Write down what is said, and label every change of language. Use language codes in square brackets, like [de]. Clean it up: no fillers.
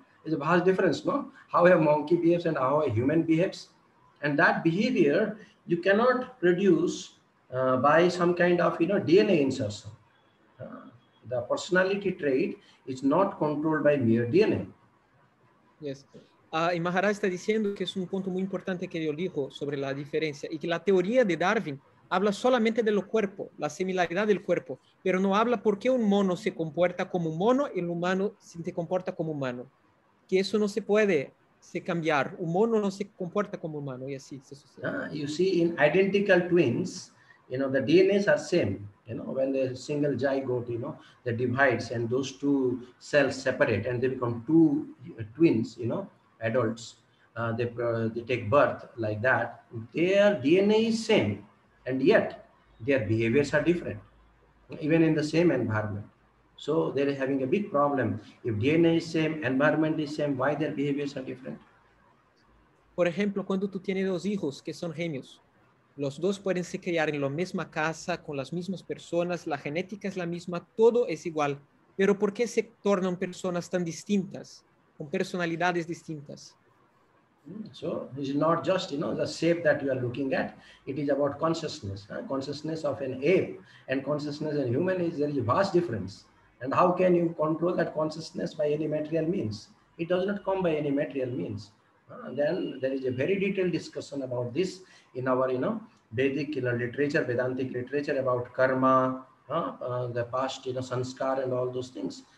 [en] It's a vast difference, no? How a monkey behaves and how a human behaves. And that behavior, you cannot produce by some kind of, DNA insertion. The personality trait is not controlled by mere DNA. Yes. [es] Y Maharaj está diciendo que es un punto muy importante que yo digo sobre la diferencia y que la teoría de Darwin habla solamente de lo cuerpo, la similaridad del cuerpo, pero no habla por qué un mono se comporta como un mono y el humano se comporta como humano. Que eso no se puede cambiar. Un mono no se comporta como humano y así se sucede. [en] You see, in identical twins, the DNAs are same. When the single zygote, that divides and those two cells separate and they become two twins, adults, they take birth like that. Their DNA is same. And yet, their behaviors are different, even in the same environment. So they're having a big problem. If DNA is same, environment is same, why their behaviors are different? [es] Por ejemplo, cuando tú tienes dos hijos que son gemios, los dos pueden se criar en la misma casa, con las mismas personas, la genética es la misma, todo es igual. Pero ¿por qué se tornan personas tan distintas, con personalidades distintas? [en] So it's not just the shape that you are looking at. It is about consciousness. Consciousness of an ape and consciousness in human is there is a vast difference. And how can you control that consciousness by any material means? It does not come by any material means. Then there is a very detailed discussion about this in our Vedic literature, Vedantic literature about karma, the past, sanskar and all those things.